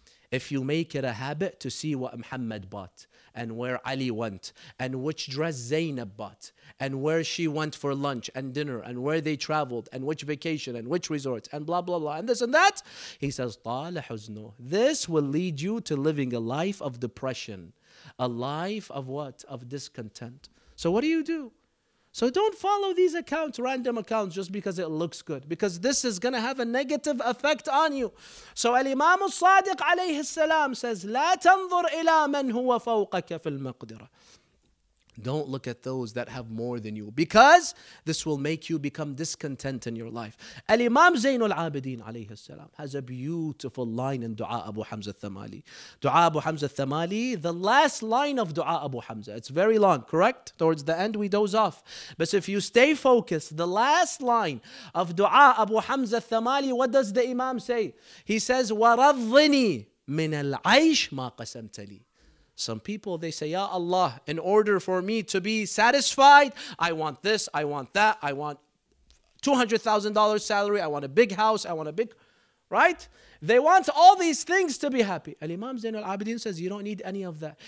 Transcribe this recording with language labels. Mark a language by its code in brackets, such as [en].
[en] If you make it a habit to see what Muhammad bought, and where Ali went, and which dress Zainab bought, and where she went for lunch and dinner, and where they traveled, and which vacation, and which resort, and blah, blah, blah, and this and that, he says, [ar] "Tala huzno." [en] This will lead you to living a life of depression, a life of what? Of discontent. So what do? So don't follow these accounts, random accounts, just because it looks good. Because this is going to have a negative effect on you. So Al-Imam al-Sadiq alayhi salam says, [ar] لا تنظر إلى من هو فوقك في المقدرة. [en] Don't look at those that have more than you, because this will make you become discontent in your life. Al-Imam Zainul Abideen alayhi salam has a beautiful line in Dua Abu Hamza al-Thamali. Dua Abu Hamza al-Thamali, the last line of Dua Abu Hamza. It's very long, correct? Towards the end, we doze off. But if you stay focused, the last line of Dua Abu Hamza al-Thamali, what does the Imam say? He says, [ar] وَرَضِّنِي مِنَ الْعَيْشِ مَا قَسَمْتَ لِي. [en] Some people, they say, "Ya Allah, in order for me to be satisfied, I want this, I want that, I want $200,000 salary, I want a big house, I want a big..." Right? They want all these things to be happy. Al-Imam Zain al-Abidin says, you don't need any of that.